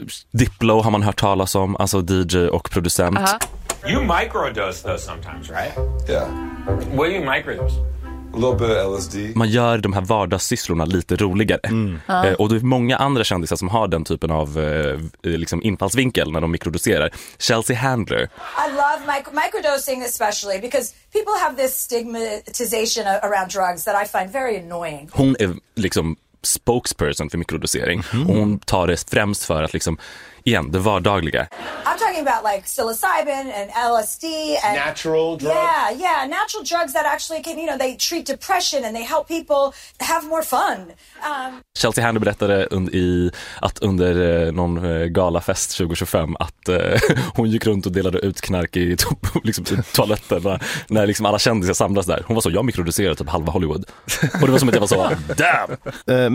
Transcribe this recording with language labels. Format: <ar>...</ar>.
<sv>Diplo har man hört talas om, alltså DJ och producent.</sv> <en>You microdose though sometimes, right? Yeah. What do you microdose? A little bit of LSD.</en> <sv>Man gör de här vardagssysslorna lite roligare. Mm. Och det är många andra kändisar som har den typen av liksom infallsvinkel när de mikrodoserar. Chelsea Handler.</sv> <en>I love microdosing especially because people have this stigmatization around drugs that I find very annoying.</en> <sv>Hon är liksom spokesperson för mikrodosering. Mm-hmm. Hon tar det främst för att liksom, igen, det vardagliga.</sv> <en>I'm talking about like psilocybin and LSD and natural drugs. Yeah, natural drugs that actually can, you know, they treat depression and they help people have more fun.</en> <sv>Chelsea Handler berättade under någon galafest 2025 att hon gick runt och delade ut knark i liksom toaletterna när liksom alla kändisar samlades där. Hon var så, jag mikrodoserade typ halva Hollywood. Och det var som att jag var så, damn!</sv>